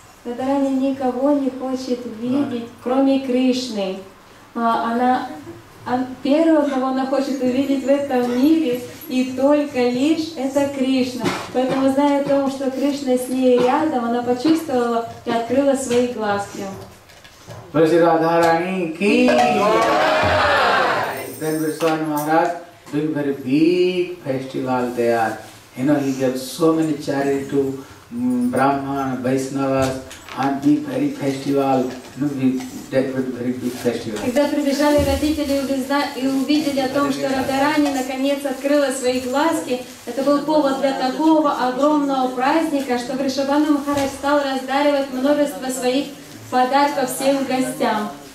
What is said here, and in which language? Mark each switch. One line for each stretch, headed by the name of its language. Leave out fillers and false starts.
Russian: Радхарани никого не хочет видеть, кроме Кришны. Она первого, кого она хочет увидеть в этом мире, и только лишь это Кришна. Поэтому, зная о том, что Кришна с ней рядом, она почувствовала и открыла свои глазки.
Hindi: Vrsi Radharani ki!
English: Then Vrishwan Maharaj doing very big festival there. You know, he gave so many charity to Brahman, Vaishnavas, and big very festival. You know, that was very big festival.
Russian: Когда прибежали родители и увидели о том, что Радхарани наконец открыла свои глазки, это был повод для такого огромного праздника, что Вришабану Махарадж стал раздаривать множество своих подарков всем гостям.